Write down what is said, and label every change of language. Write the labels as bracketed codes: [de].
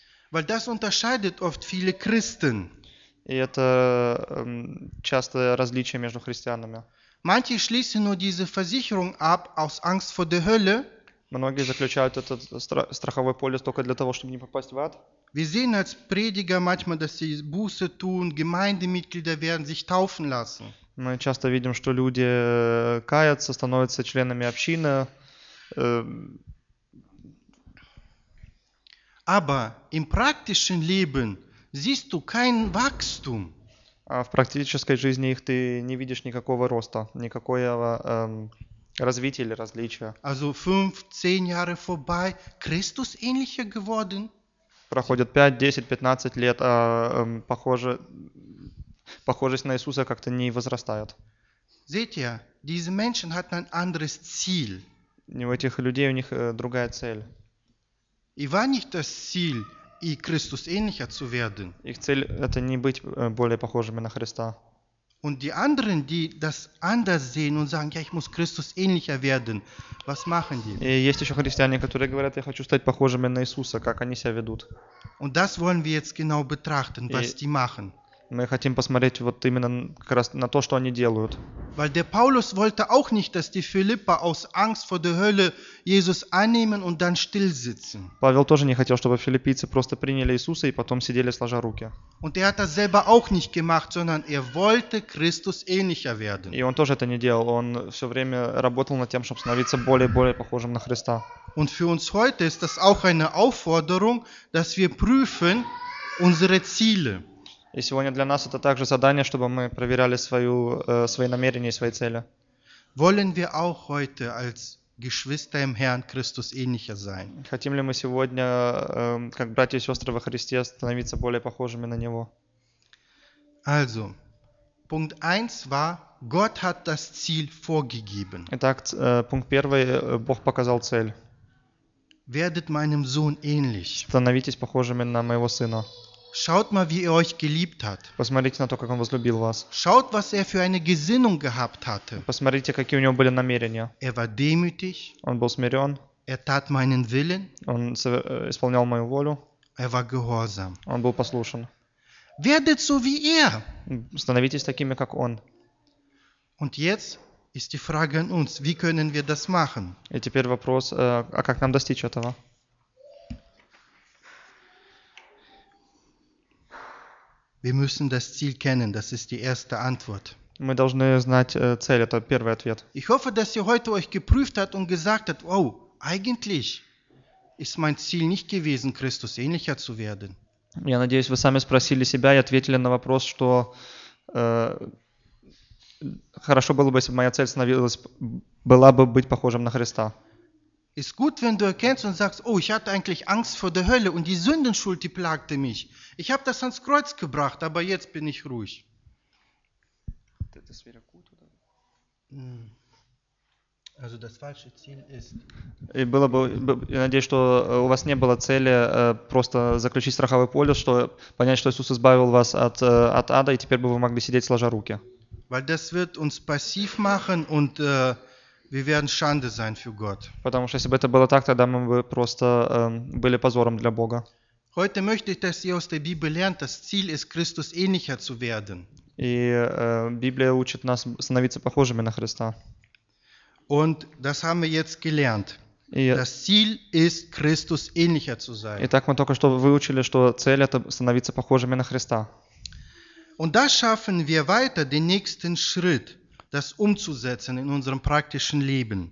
[de] Weil das unterscheidet oft viele Christen. [ru] И это часто различие между христианами. [de] Manche schließen nur diese Versicherung ab aus Angst vor der Hölle. [ru] Многие заключают этот страховой полис только для того, чтобы не попасть в ад. [de] Wir sehen als Prediger manchmal, dass sie Buße tun, Gemeindemitglieder werden, sich taufen lassen. [ru] Мы часто видим, что люди каятся, становятся членами общины. [de] Aber im praktischen Leben siehst du kein Wachstum. [ru] А в практической жизни их ты не видишь никакого роста, никакого развития или различия. [de] Also 5-10 Jahre vorbei, Christus ähnlicher geworden? [ru] Проходит 5-10-15 лет, а похожесть на Иисуса как-то не возрастает. [de] Seht ihr, diese Menschen hatten ein anderes Ziel. [ru] У этих людей у них другая цель. [de] И war nicht das Ziel, и Christus ähnlicher zu werden. [ru] Их цель это не быть более похожими на Христа. [de] Und die anderen, die das anders sehen und sagen, ja, ich muss Christus ähnlicher werden, was machen die? [ru] И есть еще христиане, которые говорят, я хочу стать похожими на Иисуса, как они себя ведут? [de] Und das wollen wir jetzt genau betrachten, was die machen. [ru] Мы хотим посмотреть вот именно как раз на то, что они делают. [de] Weil der Paulus wollte auch nicht, dass die Philipper aus Angst vor der Hölle Jesus annehmen und dann still sitzen. [ru] Павел тоже не хотел, чтобы филиппийцы просто приняли Иисуса и потом сидели сложа руки. [de] Und er hat das selber auch nicht gemacht, sondern wollte Christus ähnlicher werden. [ru] И он тоже это не делал. Он все время работал над тем, чтобы становиться более и более похожим на Христа. [de] Und für uns heute ist das auch eine Aufforderung, dass wir prüfen unsere Ziele. [ru] И сегодня для нас это также задание, чтобы мы проверяли свои намерения и свои цели. [de] Wollen wir auch heute als Geschwister im Herrn Christus ähnlicher sein? [ru] Хотим ли мы сегодня, как братья и сестры во Христе, становиться более похожими на Него? [de] Also, Punkt 1 war, Gott hat das Ziel vorgegeben. [ru] Итак, [de] Punkt 1, [ru] Бог показал цель. [de] Werdet meinem Sohn ähnlich. [ru] Становитесь похожими на моего сына. [de] Schaut mal, wie euch geliebt hat. [ru] Посмотрите на то, как он возлюбил вас. [de] Schaut, was für eine Gesinnung gehabt hatte. [ru] Посмотрите, какие у него были намерения. [de] Er war demütig. [ru] Он был смирен. [de] Er tat meinen Willen. [ru] Он исполнял мою волю. [de] Er war gehorsam. [ru] Он был послушен. [de] Werdet so wie er. [ru] Становитесь такими, как он. [de] Und jetzt ist die Frage an uns, wie können wir das machen? [ru] И теперь вопрос, а как нам достичь этого? [de] Wir müssen das Ziel kennen, das ist die erste Antwort. [ru] Мы должны знать цель, это первый ответ. [de] Ich hoffe, dass ihr heute euch geprüft habt und gesagt habt, oh, eigentlich ist mein Ziel nicht gewesen, Christus ähnlicher zu werden. [ru] Я надеюсь, вы сами спросили себя и ответили на вопрос, что хорошо было бы, если бы моя цель становилась, была бы быть похожим на Христа. [de] Ist gut, wenn du erkennst und sagst, oh, ich hatte eigentlich Angst vor der Hölle und die Sündenschuld, die plagte mich. Ich habe das ans Kreuz gebracht, aber jetzt bin ich ruhig. Das wäre gut, oder? Also das falsche Ziel ist... [ru] И было бы, я надеюсь, что у вас не было цели просто заключить страховой полис, что понять, что Иисус избавил вас от, от ада, и теперь бы вы могли сидеть сложа руки. [de] Weil das wird uns passiv machen und... Wir werden Schande sein für Gott. [ru] Потому что если бы это было так, тогда мы бы просто были позором для Бога. [de] Heute möchte ich, dass ihr aus der Bibel lernt, das Ziel ist, Christus ähnlicher zu werden. [ru] И Библия учит нас становиться похожими на Христа. [de] Und das haben wir jetzt gelernt. Das Ziel ist, Christus ähnlicher zu sein. [ru] Итак, мы только что выучили, что цель это становиться похожими на Христа. [de] Und da schaffen wir weiter den nächsten Schritt. Das umzusetzen in unserem praktischen Leben.